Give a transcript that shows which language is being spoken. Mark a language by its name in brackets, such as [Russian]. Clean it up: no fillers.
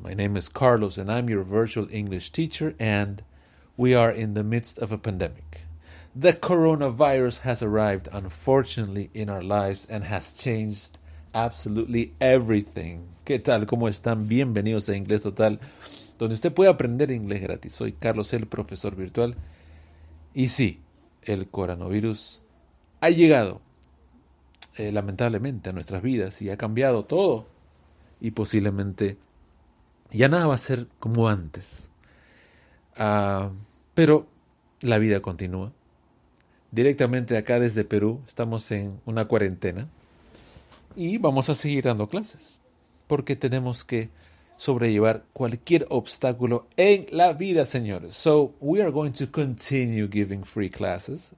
[English] My name is Carlos and I'm your virtual English teacher, and we are in the midst of a pandemic. The coronavirus has arrived, unfortunately, in our lives and has changed absolutely everything. [Spanish] ¿Qué tal? ¿Cómo están? Bienvenidos a Inglés Total, donde usted puede aprender inglés gratis. Soy Carlos, el profesor virtual. Y sí, el coronavirus ha llegado, lamentablemente, a nuestras vidas y ha cambiado todo. Y posiblemente ya nada va a ser como antes. Pero la vida continúa. Directamente acá desde Perú estamos en una cuarentena. Y vamos a seguir dando clases. Porque tenemos que sobrellevar cualquier obstáculo en la vida, señores. [English] So we are going to continue giving free classes.